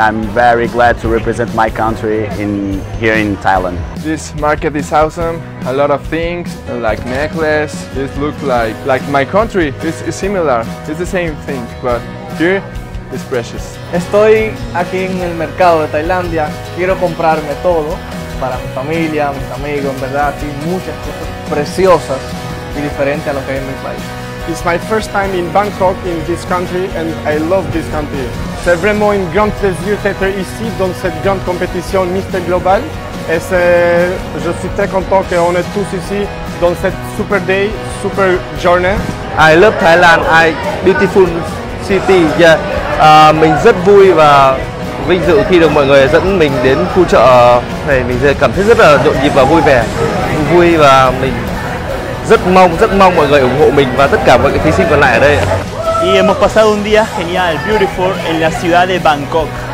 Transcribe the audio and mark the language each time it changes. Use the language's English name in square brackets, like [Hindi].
[English] I'm very glad to represent my country here in Thailand. This market is awesome. A lot of things, like necklace. It looks like my country. It's similar. It's the same thing, but here, it's precious. [Spanish] Estoy aquí en el mercado de Tailandia. Quiero comprarme todo para mi familia, mis amigos. En verdad, hay muchas cosas preciosas y diferentes a lo que hay en mi país. [English] It's my first time in Bangkok, in this country, and I love this country. [French] C'est vraiment un grand plaisir d'être ici dans cette grande compétition Mister Global. Et je suis très content que on est tous ici dans cette [English] super day, [French] super journée. [English] I love Thailand. I beautiful city. Yeah. [Vietnamese] Mình rất vui và vinh dự khi được mọi người dẫn mình đến khu chợ này. Mình cảm thấy rất là nhộn nhịp và vui vẻ. Vui và mình rất mong mọi người ủng hộ mình và tất cả mọi thí sinh còn lại ở đây. [Spanish] Y hemos pasado un día genial, beautiful, en la ciudad de Bangkok.